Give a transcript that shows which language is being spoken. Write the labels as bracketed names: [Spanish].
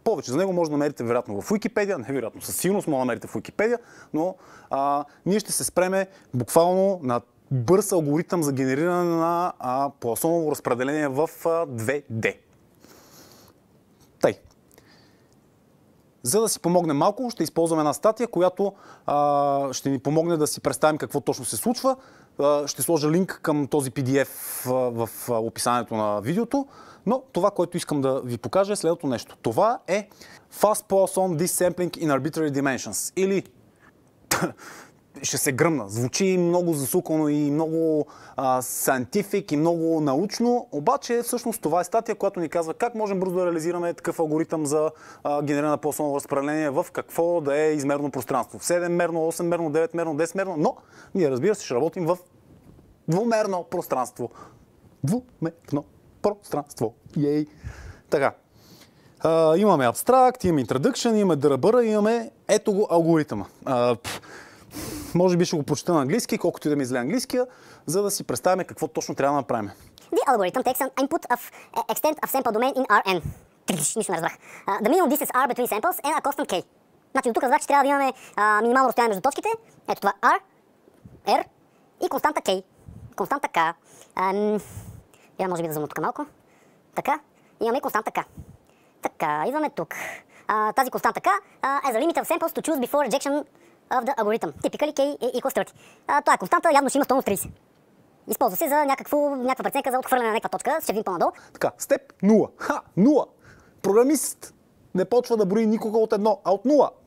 [Bulgarian] Повече за него може да намерите вероятно в Wikipedia, невероятно, със сигурност може да намерите в Wikipedia, но ние ще се спреме буквално на бърз алгоритъм за генериране на Poissonово разпределение в 2D. Тъй. За да си помогне малко, ще използваме една статия, която ще ни помогне да си представим какво точно се случва. Ще сложа линк към този PDF в описанието на видеото. Но това, което искам да ви покажа е следното нещо. Това е Fast Poisson Desampling in Arbitrary Dimensions. Или... ще се гръмна. Звучи много засукано и много scientific и много научно. Обаче, всъщност, това е статия, която ни казва как можем бързо да реализираме такъв алгоритъм за генериране на Poissonово разпределение в какво да е измерно пространство. В 7-мерно, 8-мерно, 9-мерно, 10-мерно. Но, ние, разбира се, ще работим в двумерно пространство. Двумерно пространство. Йей! Така. Имаме абстракт, имаме introduction, имаме дръбъра, имаме ето го алгоритъма. Може би ще го прочета на английски, колкото и да ми изле английския, за да си представим какво точно трябва да направим. [English] The algorithm takes an input of extent of sample domain in Rn. [Bulgarian] Трилиш, нищо не разбрах. [English] The minimum distance R between samples and a constant K. [Bulgarian] Значи до тук разбрах, че трябва да имаме минимално разстояние между точките. Ето това R, R и константа K. Константа K. Я може би да взема тук малко. Така, имаме и константа K. Така, идваме тук. Тази константа K [English] as a limit of samples to choose before rejection of the algorithm. Typically K equals 30. [Bulgarian] Това е константа, явно ще има стойност 30. Използва се за някаква преценка за отхвърляне на някаква точка. Ще видим по-надолу. Така, степ 0. Ха, 0! Програмист не почва да брои никога от 1, а от 0.